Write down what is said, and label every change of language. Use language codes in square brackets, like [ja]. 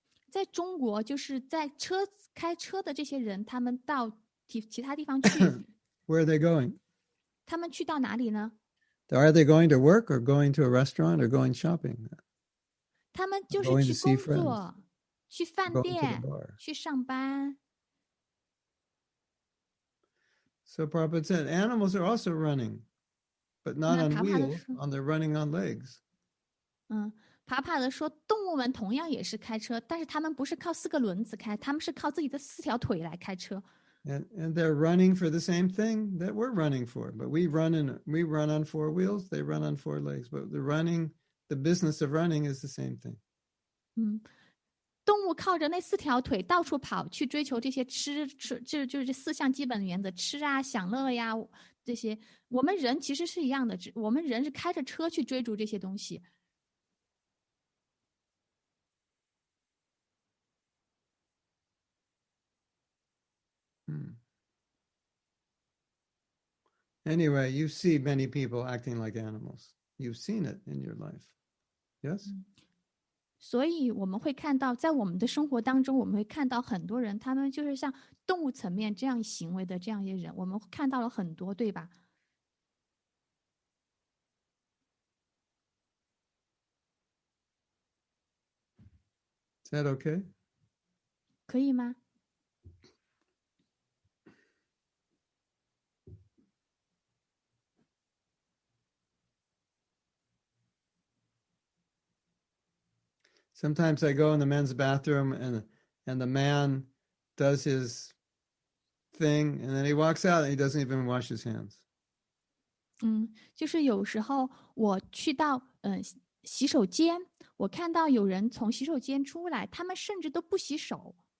[zh] 在中国，就是在车开车的这些人，他们到其他地方去。 [en] Where are they going? [zh] 他们去到哪里呢？ [en] Are they going to work or going to a restaurant or going shopping? [zh] 他们就是去工作，去饭店，去上班。 [en] So Prabhupada said, animals are also running, but not on wheels, on their running on legs. [zh] 帕帕德说，动物们同样也是开车，但是他们不是靠四个轮子开，他们是靠自己的四条腿来开车。 [en] And they're running for the same thing that we're running for, but we run on four wheels, they run on four legs. But the business of running is the same thing. [zh] 靠着那四条腿到处跑去追求这些吃吃，就是这四项基本原则，吃啊享乐呀这些，我们人其实是一样的，我们人是开着车去追逐这些东西。 [en] Anyway, you see many people acting like animals. You've seen it in your life. Yes? [zh] 所以我们会看到，在我们的生活当中，我们会看到很多人，他们就是像动物层面这样行为的这样一些人，我们看到了很多，对吧？ [en] Is that okay? [zh] 可以吗？ [en] Sometimes I go in the men's bathroom and the man does his thing and then he walks out and he doesn't even wash his hands. [zh] 就是有时候我去到洗手间，我看到有人从洗手间出来，他们甚至都不洗手。